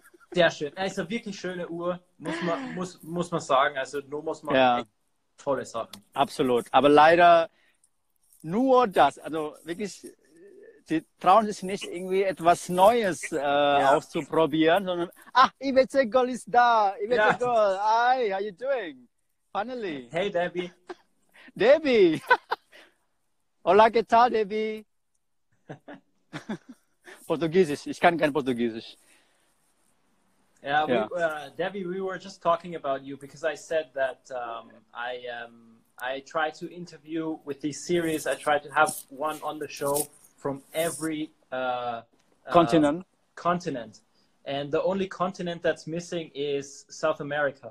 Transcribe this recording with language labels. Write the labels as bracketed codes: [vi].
[de] Sehr schön. Ist also eine wirklich schöne Uhr, muss man sagen. Also Nomos macht tolle Sachen. Absolut. Aber leider nur das. Also wirklich, sie trauen sich nicht, irgendwie etwas Neues auszuprobieren, sondern, ach, Ivete Goll ist da. [en] Ivete Goll, hi, how you doing? Finally. Hey, Debbie. [es] Debbie. Hola, ¿qué tal, Debbie? [de] Portugiesisch, ich kann kein Portugiesisch. [en] Yeah, we, Debbie, we were just talking about you because I said that I try to interview with this series. I try to have one on the show from every continent, and the only continent that's missing is South America.